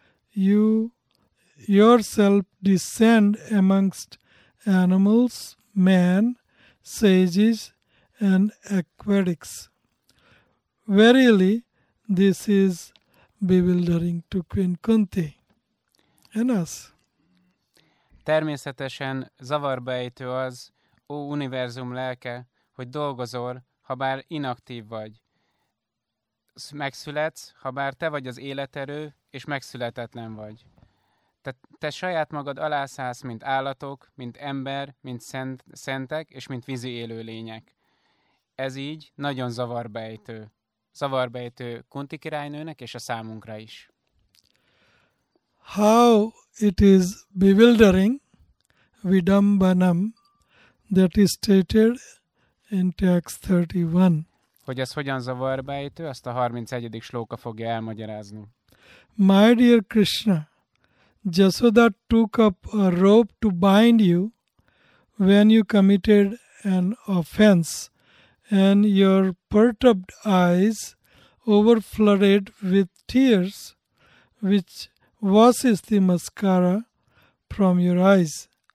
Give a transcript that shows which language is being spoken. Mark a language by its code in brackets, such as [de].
[en] You yourself descend amongst animals, men, sages, and aquatics. Verily, this is bewildering to Queen Kunti and us. [hu] Természetesen zavarba ejtő az, ó univerzum lelke, hogy dolgozol, ha bár inaktív vagy. Megszületsz, ha bár te vagy az életerő, és megszületetlen vagy. Te saját magad alászállsz, mint állatok, mint ember, mint szentek, és mint vízi élő lények. Ez így nagyon zavarbejtő. Zavarbejtő Kunti királynőnek, és a számunkra is. [en] How it is bewildering, vidambanam, that is stated in text 31. [hu] Hogy ez hogyan zavarba ejtő, azt a 31. slóka fogja elmagyarázni. [en] My dear Krishna, Jasoda took up a rope to bind you when you committed an offense, and your perturbed eyes overflooded with tears, which washes the mascara from your eyes.